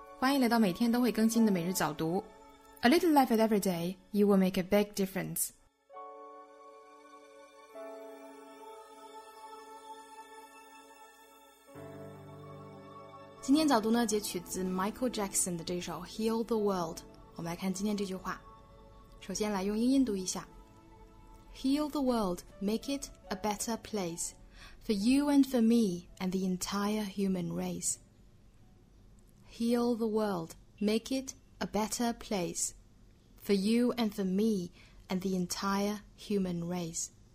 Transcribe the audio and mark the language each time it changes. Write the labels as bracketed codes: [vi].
[zh] 欢迎来到每天都会更新的每日早读。 [en] A little life at every day, you will make a big difference. [zh] 今天早读呢，截取自 Michael Jackson 的这首 Heal the World。我们来看今天这句话。首先来用英音读一下。 [en] Heal the world, make it a better place, for you and for me and the entire human race. Heal the world, make it a better place for you and for me and the entire human race.